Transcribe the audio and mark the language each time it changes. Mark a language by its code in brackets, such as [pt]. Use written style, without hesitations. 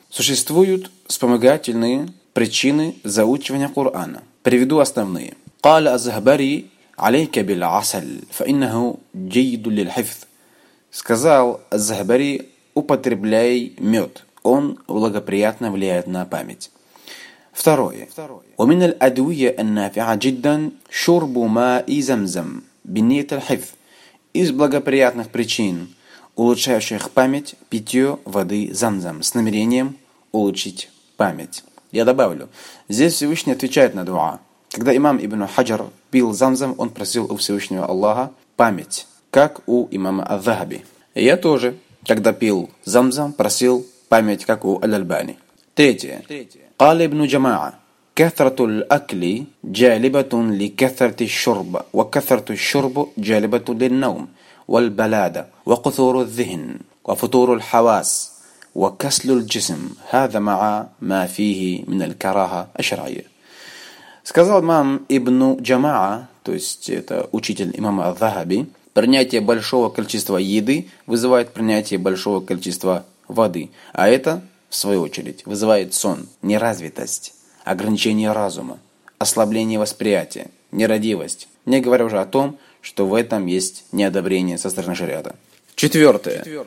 [ru] Существуют вспомогательные причины заучивания Корана. Приведу основные. [ar] Кал аз-Захбари алейка биль асаль, фа иннаху джейду лил хифз. [ru] Сказал аз-Захбари, употребляй мед, он благоприятно влияет на память. Второе. [ar] ومن الأدوية النافعة جدا شرب ماء زمزم بنية الحفظ. [ru] Из благоприятных причин, улучшающих память, питье воды замзам с намерением улучшить память. Я добавлю, здесь Всевышний отвечает на дуа. Когда имам Ибн Хаджар пил замзам, он просил у Всевышнего Аллаха память, как у имама Аз-Захаби. Я тоже, когда пил замзам, просил память, как у Аль-Альбани. Третье. [ar] قال ابن جماعة كثرة الأكل جالبة لكثرة الشرب وكثرة الشرب جالبة للنوم والبلادة وقصور الذهن وفطور الحواس وكسل الجسم هذا مع ما فيه من الكراهة الشرعية. [ru] Сказал имам ابن جماعة, то есть это учитель имама Аз-Захаби, принятие большого количества еды вызывает принятие большого количества воды, а это в свою очередь, вызывает сон, неразвитость, ограничение разума, ослабление восприятия, нерадивость, не говоря уже о том, что в этом есть неодобрение со стороны шариата. Четвертое.